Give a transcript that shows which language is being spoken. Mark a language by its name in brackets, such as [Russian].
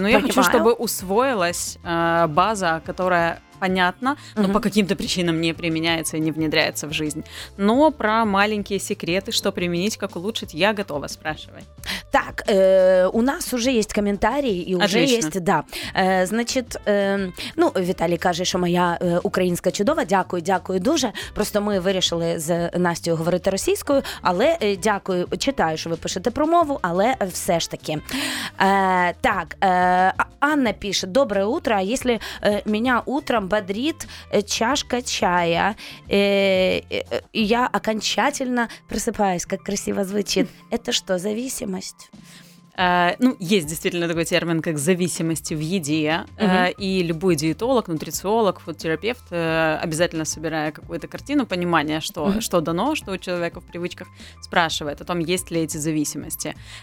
[Russian] Но я хочу, чтобы усвоилась база, которая... понятно, но по каким-то причинам не применяется и не внедряется в жизнь. Но про маленькие секреты, что применить, как улучшить, я готова спрашивать. Так, у нас уже есть комментарии, и уже есть, да. [Ukrainian] Значит, ну, Виталій каже, що моя українська чудова, дякую, дякую дуже. Просто ми вирішили з Настею говорити російською, але дякую, читаю, що ви пишете про мову, але все ж таки. Так, Анна пише, добре утро, а якщо мене [Russian] утром бодрит чашка чая, и я окончательно просыпаюсь, как красиво звучит. Это что, зависимость? Ну, есть действительно такой термин, как зависимость в еде, и любой диетолог, нутрициолог, фудтерапевт, обязательно собирая какую-то картину понимания, что, что дано, что у человека в привычках, спрашивает о том, есть ли эти зависимости.